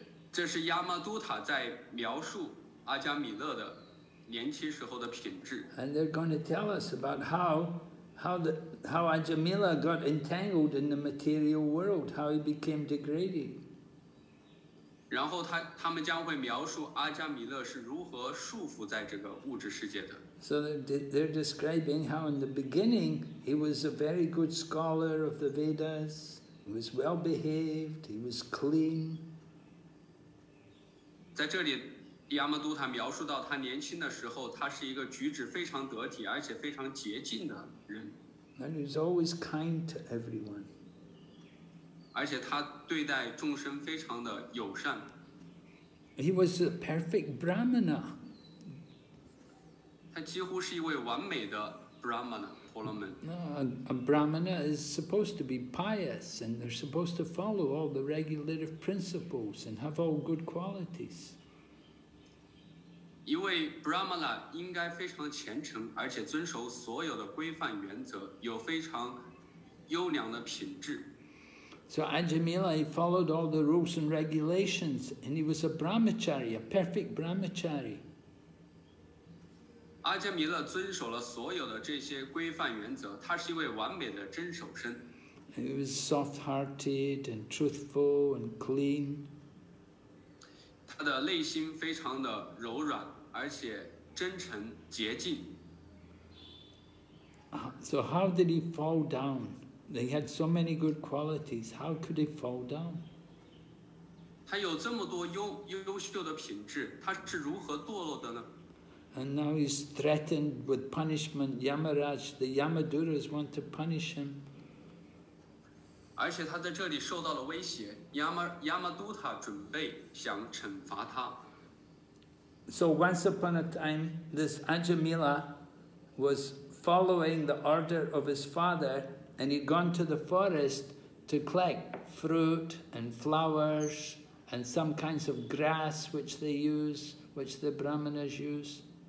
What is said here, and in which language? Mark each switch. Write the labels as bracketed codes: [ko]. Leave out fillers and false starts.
[zh] 这是亚玛都塔在描述阿加米勒的年轻时候的品质。 [en] And they're going to tell us about how Ajamila got entangled in the material world, how he became degraded. [zh] 然后他们将会描述阿加米勒是如何束缚在这个物质世界的。 [en] So they're describing how in the beginning he was a very good scholar of the Vedas. He was well behaved. He was clean. [zh] 在这里。亚玛都塔描述到他年轻的时候，他是一个举止非常得体而且非常洁净的人。 [en] And he's always kind to everyone. [zh] 而且他对待众生非常的友善。 [en] He was a perfect Brahmana. [zh] 他几乎是一位完美的 Brahmana, 婆罗门。 [en] A Brahmana is supposed to be pious and they're supposed to follow all the regulative principles and have all good qualities. [zh] 一位 Brahmana 应该非常虔诚，而且遵守所有的规范原则，有非常优良的品质。 [en] So Ajamila followed all the rules and regulations, and he was a Brahmachari, a perfect Brahmachari. [zh] 阿加米勒遵守了所有的这些规范原则，他是一位完美的真守身。 [en] He was soft-hearted and truthful and clean. [zh] 他的内心非常的柔软，而且真诚洁净。 [en] So how did he fall down? He had so many good qualities. How could he fall down? [zh] 他有这么多优秀的品质，他是如何堕落的呢？ [en] And now he's threatened with punishment. Yamaraj, the Yamaduras want to punish him. [zh] 而且他在这里受到了威胁。亚玛都塔准备想惩罚他。 [en] So once upon a time, this Ajamila was following the order of his father, and he'd gone to the forest to collect fruit and flowers and some kinds of grass which they use, which the Brahmanas use.